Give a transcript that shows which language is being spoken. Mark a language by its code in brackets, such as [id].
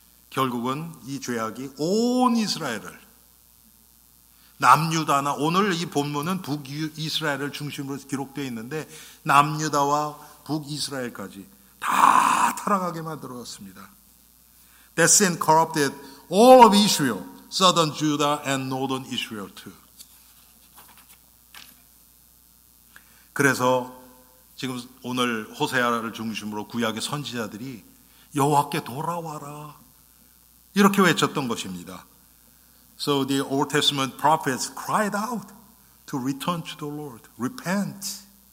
[ko] 결국은 이 죄악이 온 이스라엘을, 남유다나, 오늘 이 본문은 북이스라엘을 중심으로 기록되어 있는데 남유다와 북이스라엘까지 다 타락하게 만들었습니다. [en] That sin corrupted all of Israel, southern Judah and northern Israel too. [ko] 그래서 지금 오늘 호세아를 중심으로 구약의 선지자들이 여호와께 돌아와라, 이렇게 외쳤던 것입니다. [en] So the Old Testament prophets cried out to return to the Lord, repent.